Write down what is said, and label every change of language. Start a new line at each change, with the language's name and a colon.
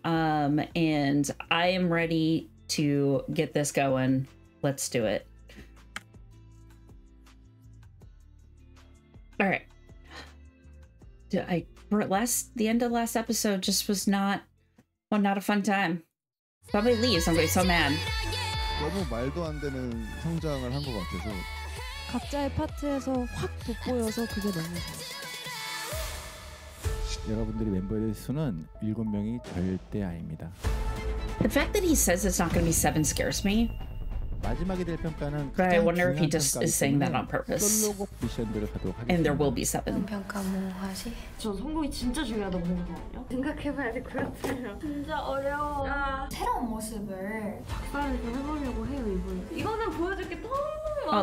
English: And I am ready to get this going. Let's do it. All right. The end of last episode just was not, well, not a fun time. Probably leaves. I'm going to be so mad.
Korean: 너무 말도 안 되는 성장을 한 것 같아서. 각자의 파트에서 확 돋보여서 그게 너무. 여러분들이 멤버의 수는 7명이 절대 아닙니다.
English: The fact that he says it's not going to be 7 scares me.
Korean: 마지막에 될 평가는
English: But I wonder if he just is saying that on purpose. And there will be 7.
Korean: 평가 뭐 하지? 전 성공이 진짜 중요하다고 보는 거 아니에요? 생각해봐야 될 것 같아요. 진짜 어려워. 새로운 모습을 작가를 좀 해보려고 해요, 이번에. 이거는 보여줄 게 너무 많아.